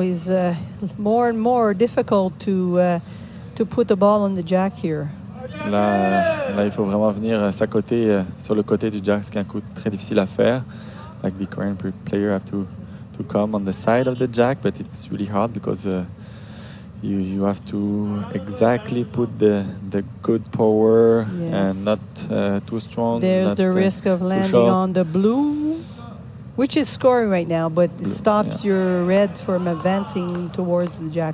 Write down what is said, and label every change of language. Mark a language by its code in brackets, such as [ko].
[en] It's more and more difficult to put the ball on the jack here. [fr] Là, il faut vraiment venir s'accoter sur le côté du jack, ce qui est un coup très difficile à faire. [en] Like the Korean player have to come on the side of the jack, but it's really hard because you have to exactly put the good power, yes, and not too strong. There's not the risk of landing on the blue, which is scoring right now, but blue, it stops your red from advancing towards the jack.